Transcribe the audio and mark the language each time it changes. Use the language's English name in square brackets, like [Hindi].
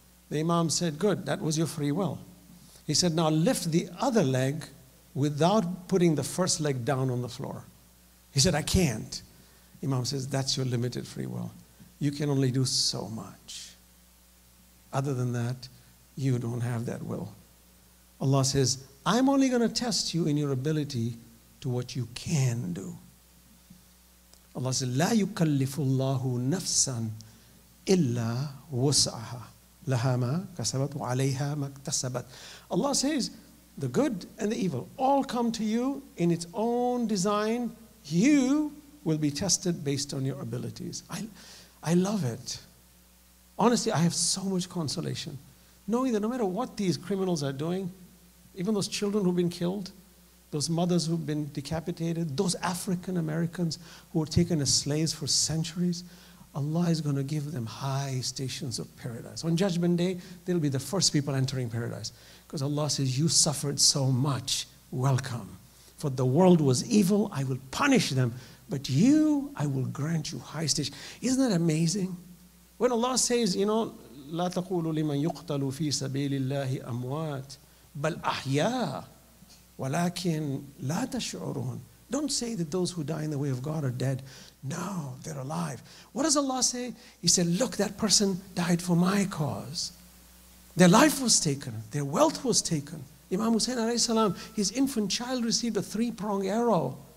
[English] The imam said, good, that was your free will. He said, now lift the other leg without putting the first leg down on the floor. He said, I can't. Imam says, that's your limited free will. You can only do so much. Other than that, you don't have that will. Allah says, I'm only going to test you in your ability to what you can do. Allah says, [Arabic] لا يكلف الله نفسا إلا وسعها لها ما كسبت وعليها ما اكتسبت. [English] Allah says, the good and the evil all come to you in its own design. You will be tested based on your abilities. I love it. Honestly, I have so much consolation. Knowing that no matter what these criminals are doing, even those children who've been killed, those mothers who've been decapitated, those African Americans who were taken as slaves for centuries, Allah is going to give them high stations of paradise. On Judgment Day, they'll be the first people entering paradise. Because Allah says, you suffered so much, welcome. For the world was evil, I will punish them. But you, I will grant you high station. Isn't that amazing? When Allah says, you know, [Arabic] لا تقولوا لمن يقتل في سبيل الله أموات بل أحياء ولكن لا تشعرون. [English] Don't say that those who die in the way of God are dead. No, they're alive. What does Allah say? He said, look, that person died for my cause. Their life was taken. Their wealth was taken. Imam Hussein alayhi salam, his infant child received a three-pronged arrow.